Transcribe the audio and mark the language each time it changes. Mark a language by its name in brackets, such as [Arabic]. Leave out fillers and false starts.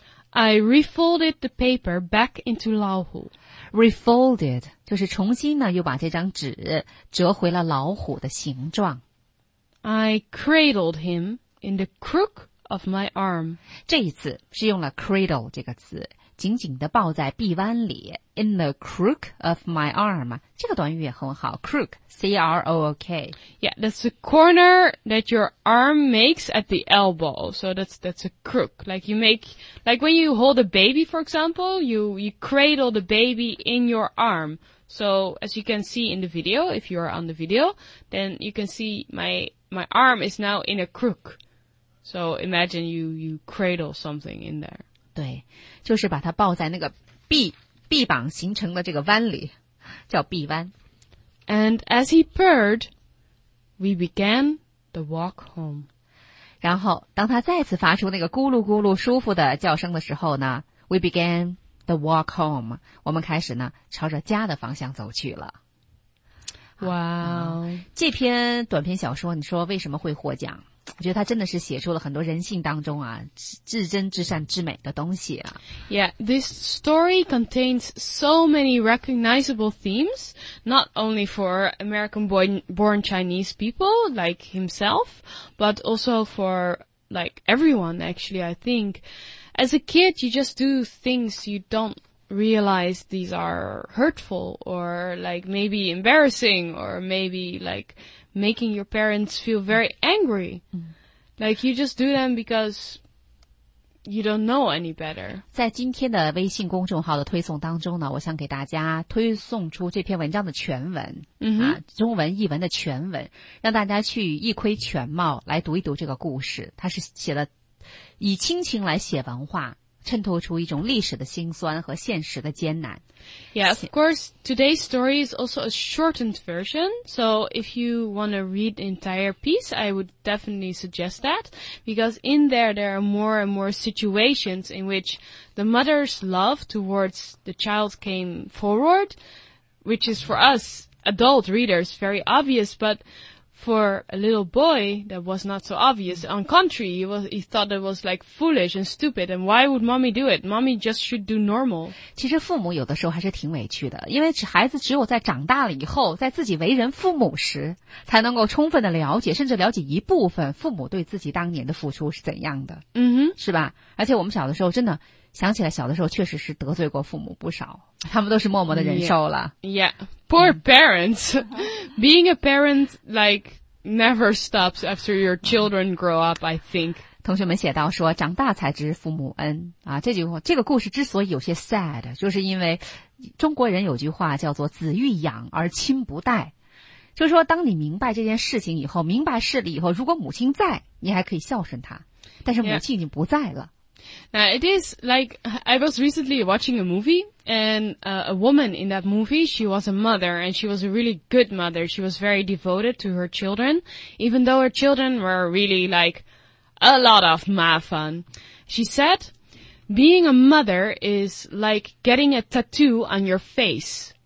[English] I refolded the paper back into 老虎。 [Chinese] Refolded, 就是重新呢又把这张纸折回了老虎的形状。 [English] I cradled him in the crook of my arm. [Chinese] 这一次是用了 cradle 这个词，紧紧地抱在臂弯里 , [English] in the crook of my arm. [Chinese] 这个短语也很好 ,crook, C-R-O-O-K. [English] Yeah, that's the corner that your arm makes at the elbow. So that's a crook. Like you make, like when you hold a baby, for example, you cradle the baby in your arm. So as you can see in the video, if you are on the video, then you can see my arm is now in a crook. So imagine you cradle something in there. [Chinese] 对，就是把它抱在那个臂膀形成的这个弯里，叫臂弯。 [English] And as he purred, we began the walk home. [Chinese] 然后当他再次发出那个咕噜咕噜舒服的叫声的时候呢， [English] we began the walk home. [Chinese] 我们开始呢朝着家的方向走去了。哇、wow. 这篇短篇小说你说为什么会获奖？我觉得它真的是写出了很多人性当中啊至真至善至美的东西啊。 [English] Yeah, this story contains so many recognizable themes, not only for American-born Chinese people like himself, but also for like everyone actually, I think. As a kid, you just do things you don't realize these are hurtful or like maybe embarrassing or maybe like making your parents feel very angry. Like you just do them because you don't know any better. [Chinese] 在今天的微信公众号的推送当中呢，我想给大家推送出这篇文章的全文、 mm-hmm. 啊，中文译文的全文，让大家去一窥全貌，来读一读这个故事。它是写了以亲情来写文化，衬托出一种历史的辛酸和现实的艰难。 [English] Yeah, of course, today's story is also a shortened version. So if you want to read the entire piece, I would definitely suggest that. Because in there are more and more situations in which the mother's love towards the child came forward, which is for us adult readers very obvious, but for a little boy, that was not so obvious. On contrary, he thought it was like foolish and stupid. And why would mommy do it? Mommy just should do normal. [Chinese] 其实父母有的时候还是挺委屈的，因为孩子只有在长大了以后，在自己为人父母时，才能够充分的了解，甚至了解一部分父母对自己当年的付出是怎样的。嗯哼，是吧？而且我们小的时候真的想起来，小的时候确实是得罪过父母不少，他们都是默默的忍受了。 [English] Yeah, yeah. Poor parents. Being a parent, like, never stops after your children grow up, I think. [Chinese] 同学们写到说，长大才知父母恩啊，这个故事之所以有些 sad, 就是因为中国人有句话叫做子欲养而亲不待。就是说当你明白这件事情以后，明白事理以后，如果母亲在，你还可以孝顺她，但是母亲已经不在了。 Yeah. [English] Now, it is like, I was recently watching a movie, and a woman in that movie, she was a mother, and she was a really good mother. She was very devoted to her children, even though her children were really, like, a lot of mafan. She said, being a mother is like getting a tattoo on your face.